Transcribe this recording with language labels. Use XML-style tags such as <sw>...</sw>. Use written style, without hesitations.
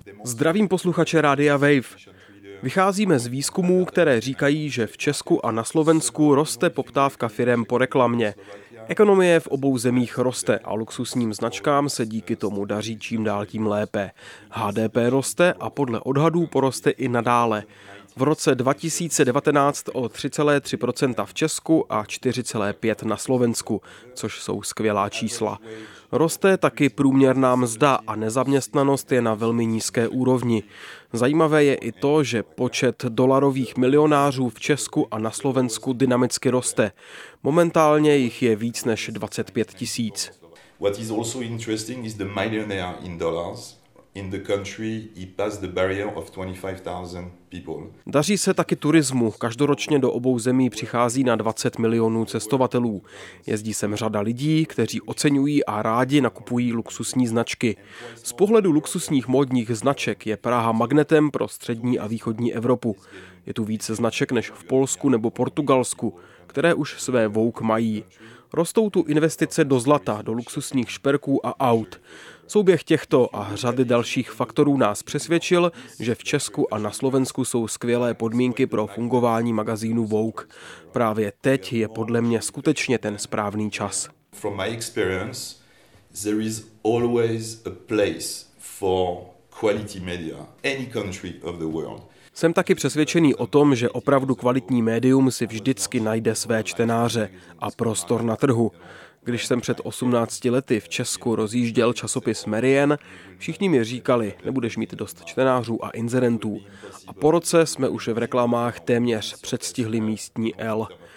<cs>Zdravím posluchače Rádia Wave. Vycházíme z výzkumů, které říkají, že v Česku a na Slovensku roste poptávka firem po reklamě. Ekonomie v obou zemích roste a luxusním značkám se díky tomu daří čím dál tím lépe. HDP roste a podle odhadů poroste i nadále. V roce 2019 o 3,3% v Česku a 4,5% na Slovensku, což jsou skvělá čísla. Roste taky průměrná mzda a nezaměstnanost je na velmi nízké úrovni. Zajímavé je i to, že počet dolarových milionářů v Česku a na Slovensku dynamicky roste. Momentálně jich je víc než 25 tisíc.</cs> <en>What is also interesting is the millionaire in dollars. In the country, he passed the barrier of 25,000 people.</en> <cs>Daří se taky turismu. Každoročně do obou zemí přichází na 20 milionů cestovatelů. Jezdí sem řada lidí, kteří oceňují a rádi nakupují luxusní značky. Z pohledu luxusních módních značek je Praha magnetem pro střední a východní Evropu. Je tu více značek než v Polsku nebo Portugalsku, které už své Vogue mají. Rostou tu investice do zlata, do luxusních šperků a aut. Souběh těchto a řady dalších faktorů nás přesvědčil, že v Česku a na Slovensku jsou skvělé podmínky pro fungování magazínu Vogue. Právě teď je podle mě skutečně ten správný čas.</cs> <en>From my experience, there is always a place for quality media, any country of the world.</en> <cs>Jsem taky přesvědčený o tom, že opravdu kvalitní médium si vždycky najde své čtenáře a prostor na trhu. Když jsem před 18 lety v Česku rozjížděl časopis Merien, všichni mi říkali, nebudeš mít dost čtenářů a inzerentů. A po roce jsme už v reklamách téměř předstihli místní L.</cs>